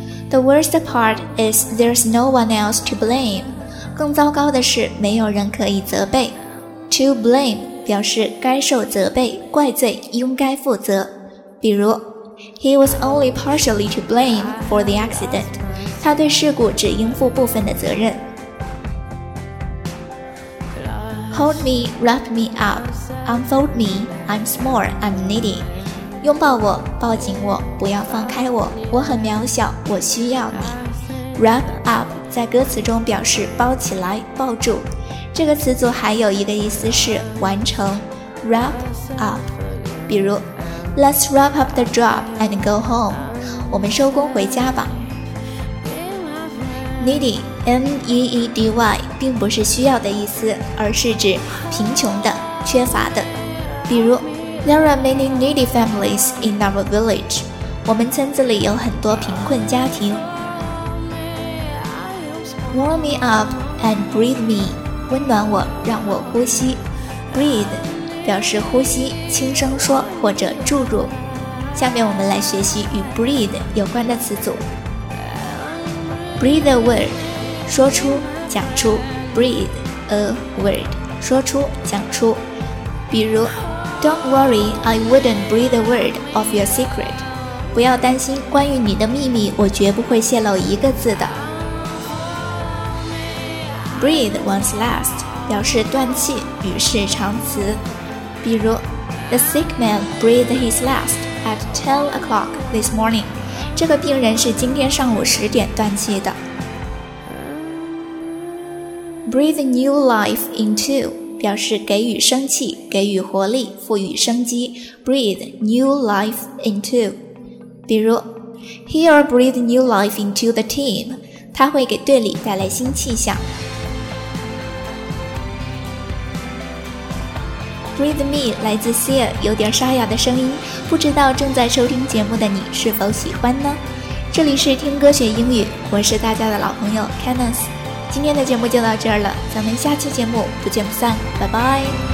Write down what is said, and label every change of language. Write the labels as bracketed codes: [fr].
[en] The worst part is there's no one else to blame. [zh] 更糟糕的是没有人可以责备。 [en] To blame [zh] 表示该受责备、怪罪、应该负责。比如 [en] He was only partially to blame for the accident. [zh] 他对事故只应负部分的责任。 [en] Hold me, wrap me up, unfold me, I'm small, I'm needy. [zh] 拥抱我，抱紧我，不要放开我，我很渺小，我需要你。 [en] Wrap up [zh] 在歌词中表示包起来，抱住。这个词组还有一个意思是完成， Wrap up， 比如 [en] Let's wrap up the job and go home， [zh] 我们收工回家吧。 Needy， N-E-E-D-Y 并不是需要的意思，而是指贫穷的、缺乏的。比如 [en] There are many needy families in our village. [zh] 我们村子里有很多贫困家庭。 [en] Warm me up and breathe me. [zh] 温暖我，让我呼吸。 Breathe 表示呼吸，轻声说或者注入。下面我们来学习与 breathe 有关的词组。 [en] Breathe a word. [zh] 说出，讲出。 [en] Breathe a word. [zh] 说出，讲出。比如 [en] Don't worry, I wouldn't breathe a word of your secret. [zh] 不要担心，关于你的秘密，我绝不会泄露一个字的。 [en] Breathe one's last [zh] 表示断气，语式长词。比如 [en] The sick man breathed his last at 10 o'clock this morning. [zh] 这个病人是今天上午十点断气的。 [en] Breathe new life into. [zh] 表示给予生气，给予活力，赋予生机。 [en] Breathe new life into. [zh] 比如 [en] He'll breathe new life into the team. [zh] 他会给队里带来新气象。 [en] Breathe me [zh] 来自 Sia， 有点沙哑的声音，不知道正在收听节目的你是否喜欢呢？这里是听歌学英语，我是大家的老朋友 Kenneth。今天的节目就到这儿了，咱们下期节目不见不散，拜拜。